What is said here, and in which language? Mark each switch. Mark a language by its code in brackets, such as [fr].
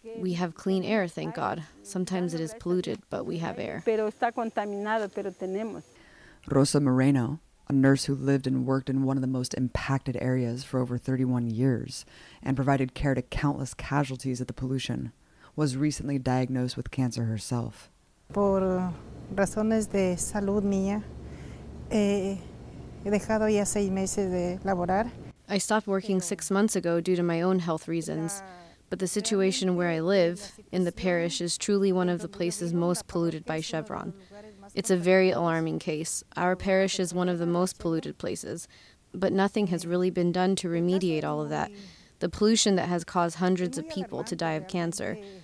[en] We have clean air, thank God. Sometimes it is polluted, but we have air. Rosa Moreno, a nurse who lived and worked in one of the most impacted areas for over 31 years and provided care to countless casualties of the pollution, was recently diagnosed with cancer herself. [es] Por razones de salud mía, he dejado ya seis meses de laborar. [en] I stopped working 6 months ago due to my own health reasons, but the situation where I live, in the parish, is truly one of the places most polluted by Chevron. It's a very alarming case. Our parish is one of the most polluted places, but nothing has really been done to remediate all of that, the pollution that has caused hundreds of people to die of cancer.